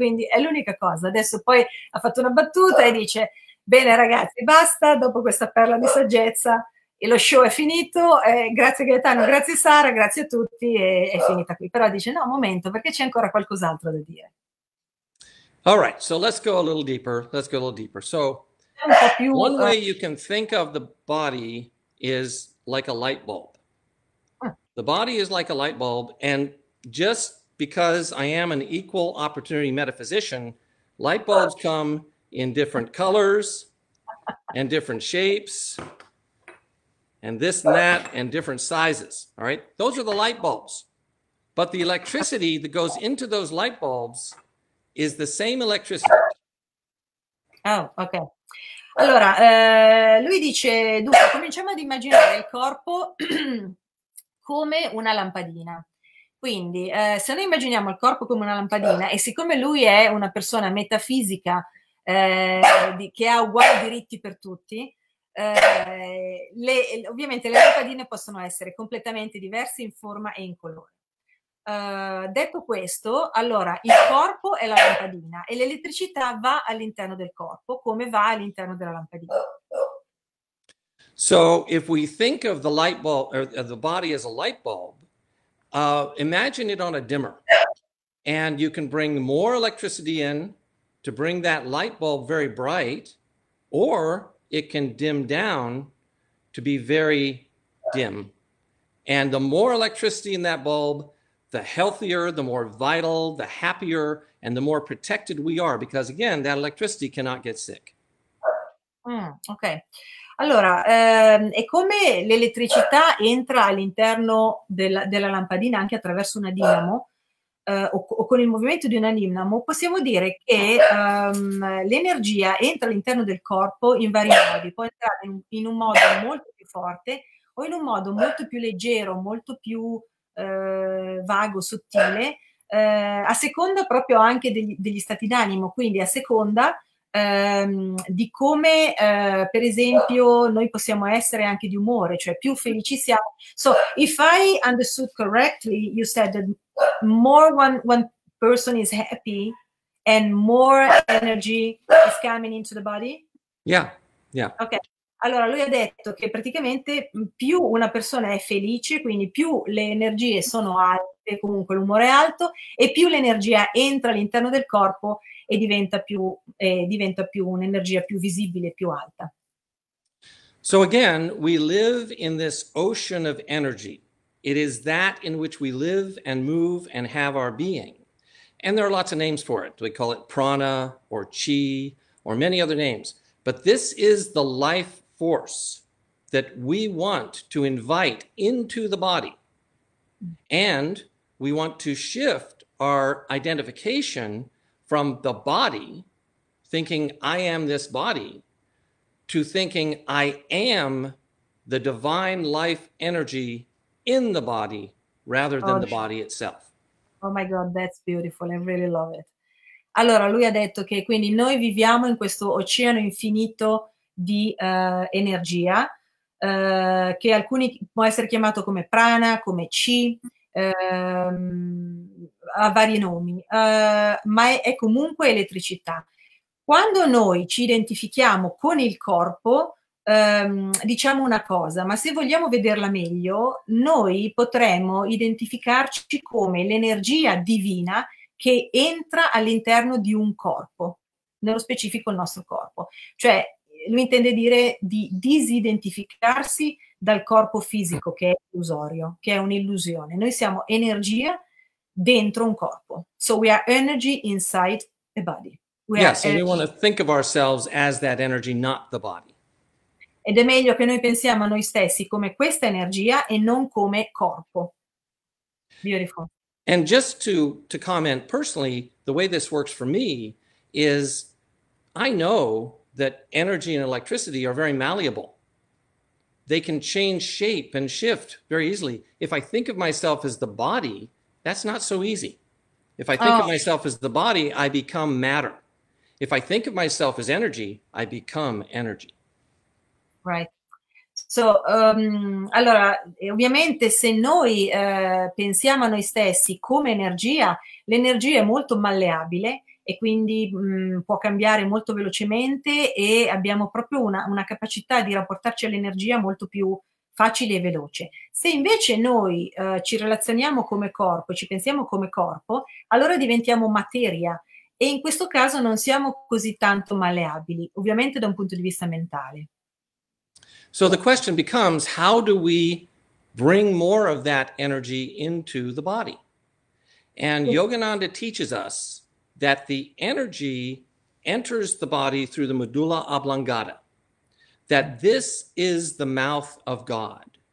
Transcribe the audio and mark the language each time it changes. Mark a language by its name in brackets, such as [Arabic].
[Italian] Quindi è l'unica cosa. Adesso poi ha fatto una battuta e dice: bene, ragazzi, basta, dopo questa perla di saggezza, e lo show è finito, grazie Gaetano, grazie Sara, grazie a tutti, e è finita qui. Però dice, no, un momento, perché c'è ancora qualcos'altro da dire. [English] All right, so let's go a little deeper, let's go a little deeper. So, one way you can think of the body is like a light bulb. The body is like a light bulb, and just because I am an equal opportunity metaphysician, light bulbs come in different colors and different shapes, and this and that, and different sizes, all right? Those are the light bulbs. But the electricity that goes into those light bulbs is the same electricity. Oh, okay. [Italian] Allora, lui dice, dunque, cominciamo ad immaginare il corpo come una lampadina. Quindi, se noi immaginiamo il corpo come una lampadina, e siccome lui è una persona metafisica che ha uguali diritti per tutti, ovviamente le lampadine possono essere completamente diverse in forma e in colore. Detto questo, allora il corpo è la lampadina e l'elettricità va all'interno del corpo come va all'interno della lampadina. [English] So if we think of the light bulb or the body as a light bulb, imagine it on a dimmer, and you can bring more electricity in to bring that light bulb very bright, or it can dim down to be very dim. And the more electricity in that bulb, the healthier, the more vital, the happier, and the more protected we are, because again, that electricity cannot get sick. Ok. [Italian] Allora, è come l'elettricità entra all'interno della lampadina anche attraverso una dinamo, o con il movimento di una dinamo, possiamo dire che l'energia entra all'interno del corpo in vari modi, può entrare in un modo molto più forte o in un modo molto più leggero, molto più vago, sottile, a seconda proprio anche degli stati d'animo, quindi a seconda di come, per esempio, noi possiamo essere anche di umore, cioè più felici siamo. [English] So, if I understood correctly, you said that more one person is happy and more energy is coming into the body? Yeah. Ok. [Italian] Allora, lui ha detto che praticamente più una persona è felice, quindi più le energie sono alte, comunque l'umore è alto, e più l'energia entra all'interno del corpo e diventa più un'energia più visibile, più alta. [English] So again, we live in this ocean of energy. It is that in which we live and move and have our being. And there are lots of names for it. We call it prana or chi or many other names. But this is the life force that we want to invite into the body. And we want to shift our identification from the body, thinking I am this body, to thinking I am the divine life energy in the body rather than the body itself. Oh my God, that's beautiful. I really love it. [Italian] Allora, lui ha detto che quindi noi viviamo in questo oceano infinito di energia, che alcuni può essere chiamato come prana, come chi, a vari nomi, ma è comunque elettricità. Quando noi ci identifichiamo con il corpo, diciamo una cosa, ma se vogliamo vederla meglio, noi potremmo identificarci come l'energia divina che entra all'interno di un corpo, nello specifico il nostro corpo. Cioè, lui intende dire di disidentificarsi dal corpo fisico, che è illusorio, che è un'illusione. Noi siamo energia dentro un corpo. [English] So we are energy inside a body. And we want to think of ourselves as that energy, not the body. [Italian] Ed è meglio che noi pensiamo a noi stessi come questa energia e non come corpo. [English] Beautiful. And just to comment personally, the way this works for me is I know that energy and electricity are very malleable. They can change shape and shift very easily. If I think of myself as the body, that's not so easy. If I think of myself as the body, I become matter. If I think of myself as energy, I become energy. Right. [Italian] So, allora, ovviamente se noi pensiamo a noi stessi come energia, l'energia è molto malleabile e quindi può cambiare molto velocemente e abbiamo proprio una capacità di rapportarci all'energia molto più facile e veloce. Se invece noi ci relazioniamo come corpo, ci pensiamo come corpo, allora diventiamo materia e in questo caso non siamo così tanto malleabili, ovviamente da un punto di vista mentale. [English] So the question becomes, how do we bring more of that energy into the body? And Yogananda teaches us that the energy enters the body through the medulla oblongata, that this is the mouth of God.